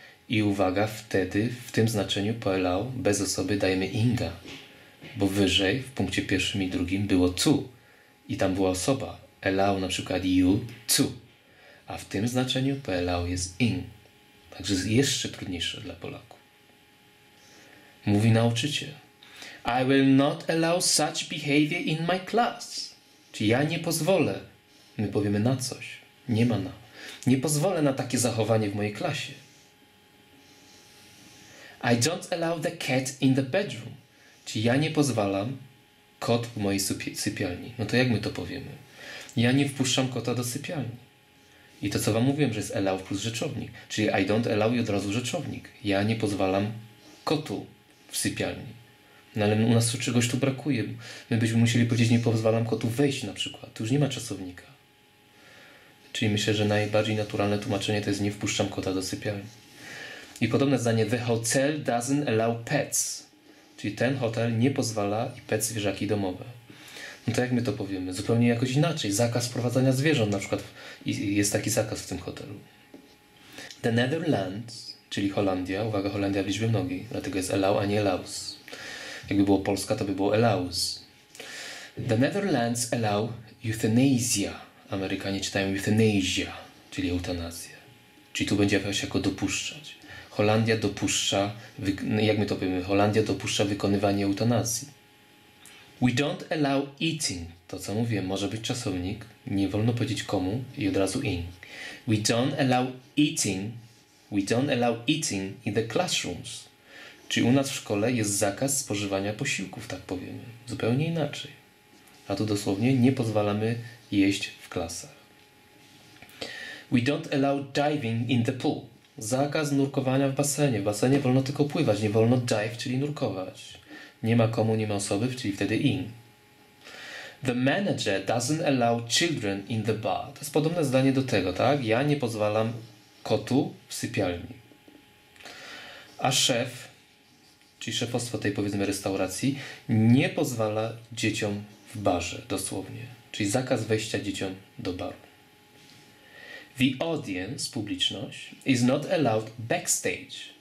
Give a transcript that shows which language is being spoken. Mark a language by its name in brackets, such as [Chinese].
[Polish] I uwaga, wtedy w tym znaczeniu po allow bez osoby dajemy inga. Bo wyżej w punkcie pierwszym i drugim było tu. I tam była osoba. Allow na przykład you tu. A w tym znaczeniu po allow jest ing. Także jest jeszcze trudniejsze dla Polaków. Mówi nauczyciel. [English] I will not allow such behavior in my class. [Polish] Czyli ja nie pozwolę. My powiemy na coś. Nie ma na. Nie pozwolę na takie zachowanie w mojej klasie. [English] I don't allow the cat in the bedroom. [Polish] Czyli ja nie pozwalam kot w mojej sypialni. No to jak my to powiemy? Ja nie wpuszczam kota do sypialni. I to, co wam mówiłem, że jest allow plus rzeczownik. Czyli [English] I don't allow [Polish] i od razu rzeczownik. Ja nie pozwalam kotu w sypialni. No ale u nas czegoś tu brakuje. My byśmy musieli powiedzieć, nie pozwalam kotu wejść na przykład. Tu już nie ma czasownika. Czyli myślę, że najbardziej naturalne tłumaczenie to jest nie wpuszczam kota do sypialni. I podobne zdanie. [English] The hotel doesn't allow pets. [Polish] Czyli ten hotel nie pozwala i pet zwierzaki domowe. No to jak my to powiemy? Zupełnie jakoś inaczej. Zakaz wprowadzania zwierząt na przykład. I jest taki zakaz w tym hotelu. The Netherlands, czyli Holandia. Uwaga, Holandia w liczbie mnogiej. Dlatego jest allow, a nie allows. Jakby było Polska, to by było allows. [English] The Netherlands allow euthanasia. [Polish] Amerykanie czytają euthanasia, czyli eutanazję. Czyli tu będzie jakoś jako dopuszczać. Holandia dopuszcza, jak my to powiemy, Holandia dopuszcza wykonywanie eutanazji. [English] We don't allow eating. [Polish] To co mówię, może być czasownik. Nie wolno powiedzieć komu i od razu in. [English] We don't allow eating. We don't allow eating in the classrooms. [Polish] Czyli u nas w szkole jest zakaz spożywania posiłków, tak powiemy. Zupełnie inaczej. A tu dosłownie nie pozwalamy jeść w klasach. [English] We don't allow diving in the pool. [Polish] Zakaz nurkowania w basenie. W basenie wolno tylko pływać, nie wolno dive, czyli nurkować. Nie ma komu, nie ma osoby, czyli wtedy in. [English] The manager doesn't allow children in the bar. [Polish] To jest podobne zdanie do tego, tak? Ja nie pozwalam kotu w sypialni. A szef, czyli szefostwo tej powiedzmy restauracji, nie pozwala dzieciom w barze, dosłownie. Czyli zakaz wejścia dzieciom do baru. [English] The audience, [Polish] publiczność, [English] is not allowed backstage.